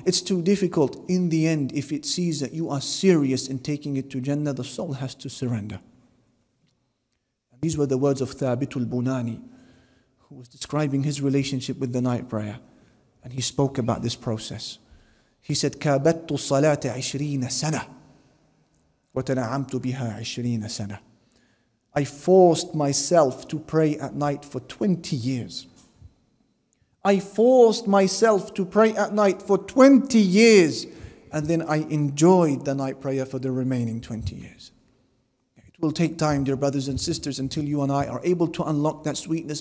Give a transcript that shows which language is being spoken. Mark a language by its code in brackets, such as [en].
[en] It's too difficult. In the end, if it sees that you are serious in taking it to Jannah, the soul has to surrender. And these were the words of Thabit al-Bunani, who was describing his relationship with the night prayer. And he spoke about this process. He said, [ar] كابت الصلاة 20 سنة وتنعمت بها 20 سنة. [en] I forced myself to pray at night for 20 years. I forced myself to pray at night for 20 years. And then I enjoyed the night prayer for the remaining 20 years. It will take time, dear brothers and sisters, until you and I are able to unlock that sweetness.